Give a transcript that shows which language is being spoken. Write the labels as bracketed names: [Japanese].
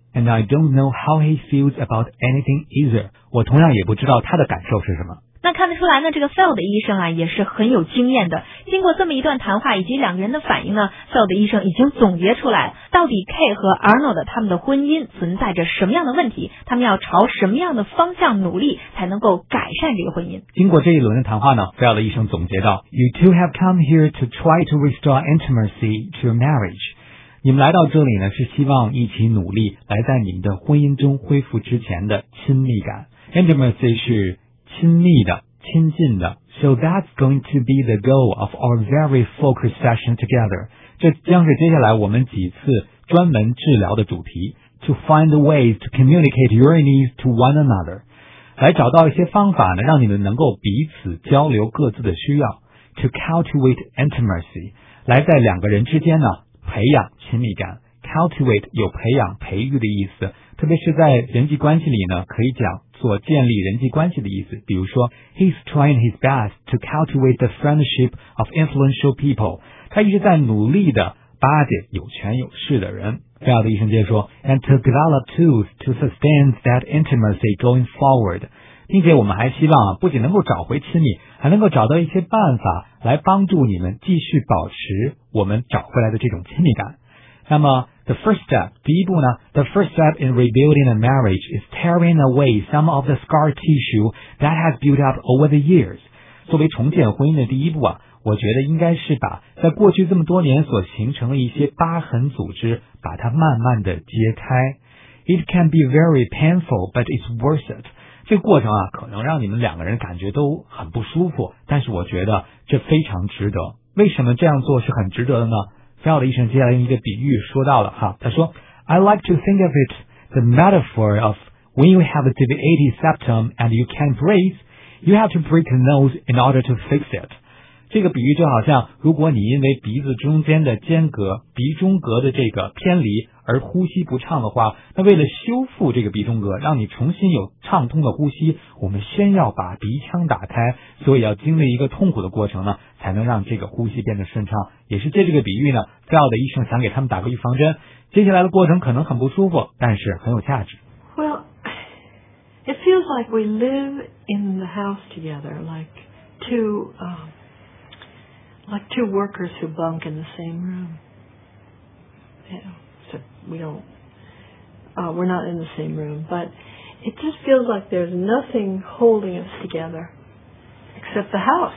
[English] And I don't know how he feels about anything either. [Chinese] 我同样也不知道他的感受是什么。那看得出来呢，这个 Phil 的医生啊也是很有经验的。经过这么一段谈话以及两个人的反应呢， Phil 的医生已经总结出来到底 K 和 Arnold 他们的婚姻存在着什么样的问题，他们要朝什么样的方向努力才能够改善这个婚姻。经过这一轮的谈话呢， Phil 的医生总结到 [English] You two have come here to try to restore intimacy to your marriage. [Chinese] 你们来到这里呢，是希望一起努力来在你们的婚姻中恢复之前的亲密感。Intimacy 是亲密的、亲近的。 [English] So that's going to be the goal of our very focused session together. [Chinese] 这将是接下来我们几次专门治疗的主题。 [English] To find ways to communicate your needs to one another. [Chinese] 来找到一些方法呢，让你们能够彼此交流各自的需要。 [English] To cultivate intimacy. [Chinese] 来在两个人之间呢，培养亲密感。 Cultivate 有培养培育的意思，特别是在人际关系里呢，可以讲做建立人际关系的意思。比如说 [English] ,He's trying his best to cultivate the friendship of influential people. [Chinese] 他一直在努力的巴结有权有势的人。这样的医生接着说 [English] ,And to develop tools to sustain that intimacy going forward. [Chinese] 并且我们还希望不仅能够找回亲密，还能够找到一些办法来帮助你们继续保持我们找回来的这种亲密感。 [English] 那么 the first step, [Chinese] 第一步呢 [English] the first step in rebuilding a marriage is tearing away some of the scar tissue that has built up over the years. [Chinese] 作为重建婚姻的第一步啊，我觉得应该是把在过去这么多年所形成的一些疤痕组织把它慢慢的揭开。 [English] It can be very painful, but it's worth it. [Chinese] 这个过程啊，可能让你们两个人感觉都很不舒服，但是我觉得这非常值得。为什么这样做是很值得的呢？菲奥的医生接下来用一个比喻说到了哈，他说 [English] I like to think of it the metaphor of when you have a deviated septum and you can't breathe, you have to break the nose in order to fix it. [Chinese] 这个比喻就好像如果你因为鼻子中间的间隔鼻中隔的这个偏离而呼吸不畅的话，那为了修复这个鼻中隔让你重新有畅通的呼吸，我们先要把鼻腔打开，所以要经历一个痛苦的过程呢，才能让这个呼吸变得顺畅。也是借这个比喻呢，菲奥的医生想给他们打个预防针，接下来的过程可能很不舒服，但是很有价值。 [English] Well, it feels like we live in the house together, like two workers who bunk in the same room. Yeah, so we're not in the same room, but it just feels like there's nothing holding us together except the house.